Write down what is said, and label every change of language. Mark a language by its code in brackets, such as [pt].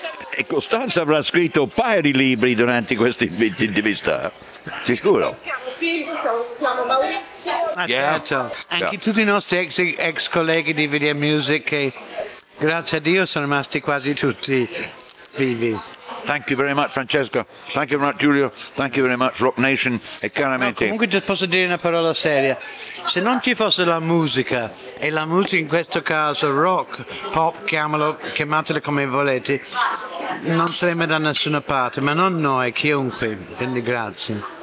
[it] E Costanzo avrà scritto un paio di libri durante questa intervista. Ti giuro. Siamo Maurizio. Certo. Anche tutti i nostri ex colleghi di Video Music, che grazie a Dio sono rimasti quasi tutti vivi. [en] Thank you very much, Francesco. Thank you very much, Giulio. Thank you very much, Rock Nation. [it] E chiaramente. No, comunque ti posso dire una parola seria. Se non ci fosse la musica, e la musica in questo caso rock, pop, chiamalo, chiamatela come volete, non saremmo da nessuna parte, ma non noi, chiunque. Quindi grazie.